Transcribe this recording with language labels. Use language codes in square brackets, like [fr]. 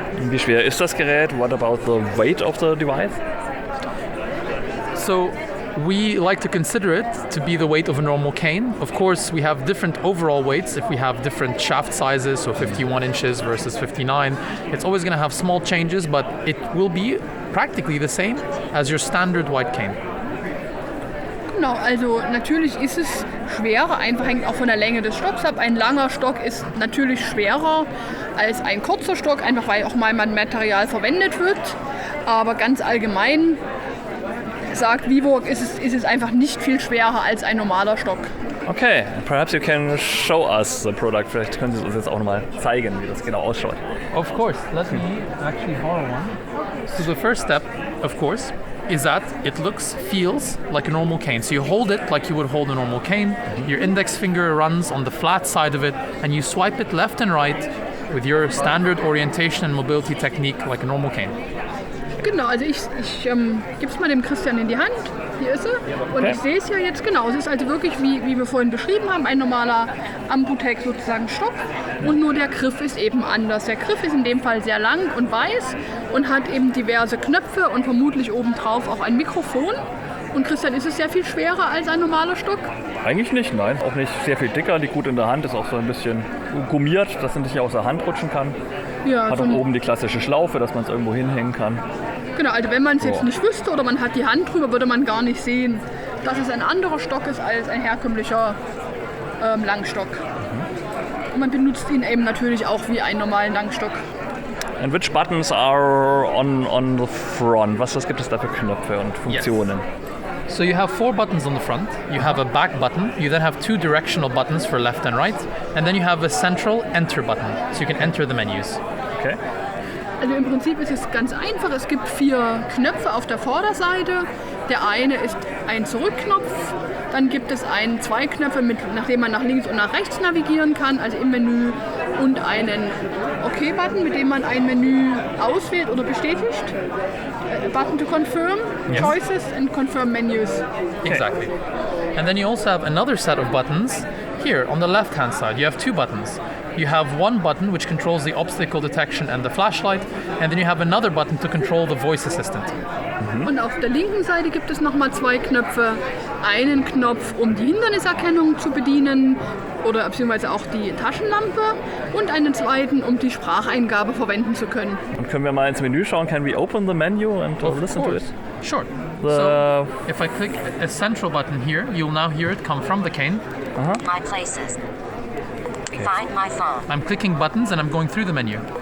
[de] Wie schwer ist das Gerät? [en] What about the weight of the device? So, we like to consider it to be the weight of a normal cane. Of course, we have different overall weights if we have different shaft sizes, so 51 inches versus 59. It's always going to have small changes, but it will be practically the same as your standard white cane. [de] Genau, also natürlich ist es schwerer, einfach hängt auch von der Länge des Stocks ab. Ein langer Stock ist natürlich schwerer als ein kurzer Stock, einfach weil auch mal Material verwendet wird. Aber ganz allgemein sagt WeWalk, ist es einfach nicht viel schwerer als ein normaler Stock. [en] Okay, perhaps you can show us the product. [de] Vielleicht können Sie uns jetzt auch nochmal zeigen, wie das genau ausschaut. [en] Of course, let me actually borrow one. So the first step, of course, is that it looks, feels like a normal cane. So you hold it like you would hold a normal cane. Your index finger runs on the flat side of it, and you swipe it left and right with your standard orientation and mobility technique like a normal cane. [de] Genau, also ich gebe es mal dem Christian in die Hand. Hier ist er. Und okay. Ich sehe es ja jetzt genau. Es ist also wirklich, wie wir vorhin beschrieben haben, ein normaler Ambutech sozusagen Stock. Und nur der Griff ist eben anders. Der Griff ist in dem Fall sehr lang und weiß und hat eben diverse Knöpfe und vermutlich obendrauf auch ein Mikrofon. Und Christian, ist es sehr viel schwerer als ein normaler Stock? Eigentlich nicht, nein. Auch nicht sehr viel dicker. Liegt gut in der Hand, ist auch so ein bisschen gummiert, dass es nicht aus der Hand rutschen kann. Ja, hat auch oben die klassische Schlaufe, dass man es irgendwo hinhängen kann. Genau, also wenn man es jetzt nicht wüsste oder man hat die Hand drüber, würde man gar nicht sehen, dass es ein anderer Stock ist als ein herkömmlicher Langstock. Mhm. Und man benutzt ihn eben natürlich auch wie einen normalen Langstock. [en] And which buttons are on the front? [de] Was gibt es da für Knöpfe und Funktionen? [en] Yes. So you have four buttons on the front. You have a back button. You then have two directional buttons for left and right. And then you have a central enter button. So you can enter the menus. Okay. [de] Also im Prinzip ist es ganz einfach. Es gibt vier Knöpfe auf der Vorderseite. Der eine ist ein Zurückknopf. Dann gibt es zwei Knöpfe, nachdem man nach links und nach rechts navigieren kann, also im Menü. Und einen OK-Button, mit dem man ein Menü auswählt oder bestätigt. [en] Button to confirm, yes. Choices and confirm menus. Exactly. And then you also have another set of buttons here on the left-hand side. You have two buttons. You have one button which controls the obstacle detection and the flashlight, and then you have another button to control the voice assistant. Mm-hmm. [de] Und auf der linken Seite gibt es nochmal zwei Knöpfe. Einen Knopf, um die Hinderniserkennung zu bedienen, oder beziehungsweise auch die Taschenlampe, und einen zweiten, um die Spracheingabe verwenden zu können. Und können wir mal ins Menü schauen? [en] Can we open the menu and listen course. To it? Sure. So, if I click a central button here, you'll now hear it come from the cane. Uh-huh. My places. Find my phone. I'm clicking buttons and I'm going through the menu.